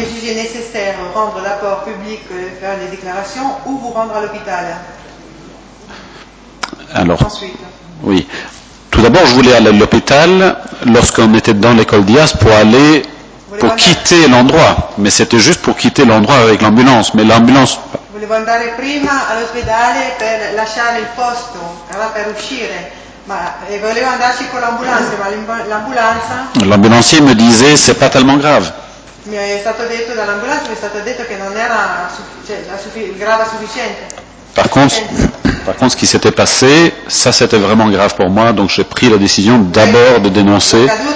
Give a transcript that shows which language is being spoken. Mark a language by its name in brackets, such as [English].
[Italian] Se è necessario rendere l'apporto pubblico e fare le dichiarazioni o [French] vous rendre all'hôpital. Allora, ensuite. Oui. Tout d'abord, je voulais aller à l'hôpital lorsqu'on était dans l'école Diaz pour quitter l'endroit. Mais c'était juste pour quitter l'endroit avec l'ambulance. Mais l'ambulance. [Italian] Volevo andare prima all'ospedale per lasciare il posto, per uscire. E volevo andarci con l'ambulanza, ma l'ambulanza. [French] L'ambulancier me disait, c'est pas tellement grave. [Italian] Mi è stato detto dall'ambulanza, mi è stato detto che non era grave a sufficiente. [French] Par contre, ce qui s'était passé, ça c'était vraiment grave pour moi, donc j'ai pris la décision d'abord de dénoncer.